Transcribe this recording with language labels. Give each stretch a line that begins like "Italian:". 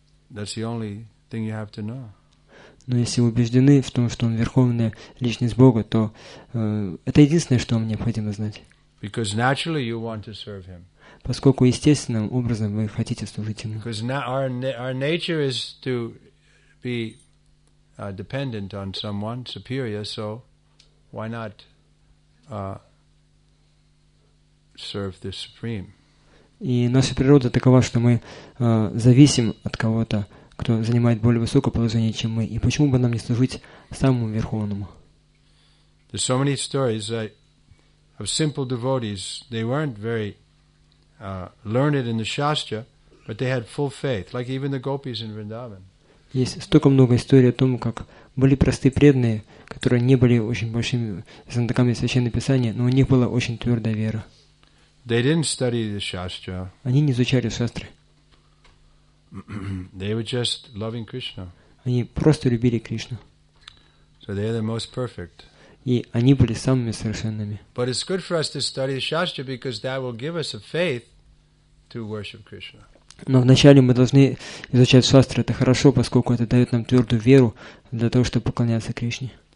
Russian: Но если вы убеждены в том, что Он Верховная Личность Бога, то это единственное, что вам необходимо знать.
English: Because naturally you want to serve Him.
Russian: Поскольку естественным образом вы хотите служить Ему.
English: Because our nature is to be dependent on someone superior, so why not serve the Supreme?
Russian: И наша природа такова, что мы зависим от кого-то, кто занимает более высокое положение, чем мы. И почему бы нам не служить самому Верховному?
English: There's so many stories of simple devotees. They weren't very learned in the Shastra, but they had full faith, like even the gopis in Vrindavan.
Russian: Есть столько много историй о том, как были простые преданные, которые не были очень большими знатоками Священного Писания, но у них была очень твердая вера.
English: They didn't study the Shastra.
Russian: Они не изучали шастры.
English: They were just loving Krishna.
Russian: Они просто любили Кришну.
English: So they are the most perfect.
Russian: И они были самыми совершенными.
English: But it's good for us to study the Shastra because that will give us a faith to worship Krishna.
Russian: Но вначале мы должны изучать шастры. Это хорошо, поскольку это дает нам твердую веру для того, чтобы поклоняться Кришне.